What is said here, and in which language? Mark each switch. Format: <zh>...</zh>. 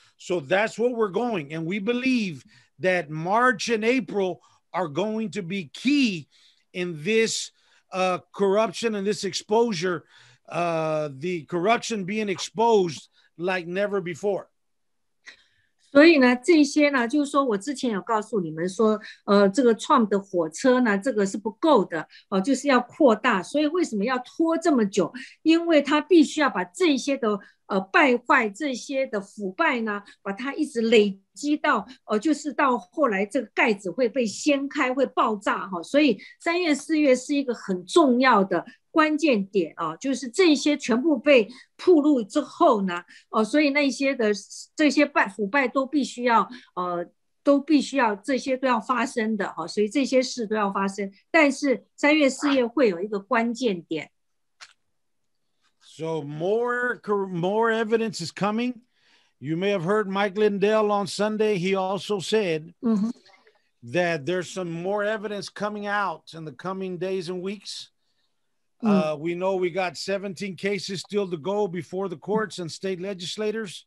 <en>So that's where we're going. And we believe that March and April are going to be key in this corruption and this exposure, the corruption being exposed like never before.</en> <zh>所以呢，这些呢，就是说我之前有告诉你们说，这个 Trump 的火车呢，这个是不够的，就是要扩大。所以为什么要拖这么久？因为他必须要把这些的败坏、这些的腐败呢，把它一直累积到，就是到后来这个盖子会被掀开、会爆炸哈。所以三月、四月是一个很重要的关键点啊，就是这些全部被曝露之后呢，所以那些的这些腐败都必须要都必须要这些都要发生的啊，所以这些事都要发生。但是三月四月会有一个关键点。</zh> <en>So more evidence is coming. You may have heard Mike Lindell on Sunday. He also said that there's some more evidence coming out in the coming days and weeks. We know we got 17 cases still to go before the courts and state legislators.</en>